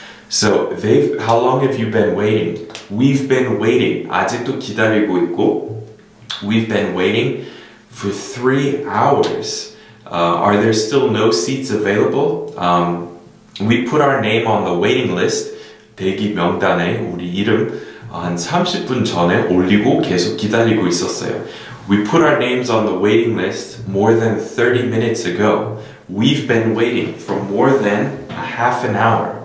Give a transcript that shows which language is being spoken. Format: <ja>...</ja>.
<en>So they've, how long have you been waiting? We've been waiting.</en> <ko>아직도 기다리고 있고</ko> <en>We've been waiting for 3 hours. Are there still no seats available? We put our name on the waiting list.</en> <ko>대기 명단에 우리 이름 한 30분 전에 올리고 계속 기다리고 있었어요.</ko> <en>We put our names on the waiting list more than 30 minutes ago. We've been waiting for more than a half an hour.</en>